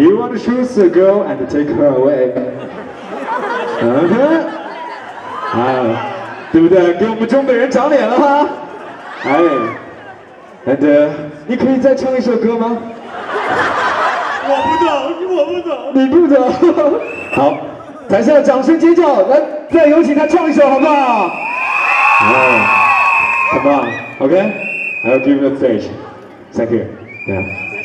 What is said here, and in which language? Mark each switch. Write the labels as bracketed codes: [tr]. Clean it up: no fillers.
[en] You want to choose a girl and take her away? Okay. [zh] 啊，对不对？给我们中北人长脸了哈。哎 ，And 你可以再唱一首歌吗？我不懂，好，台下的掌声尖叫，来，再有请他唱一首，好不好？ [en] 哎 ，Come on, OK, I'll give you a stage, thank you, yeah.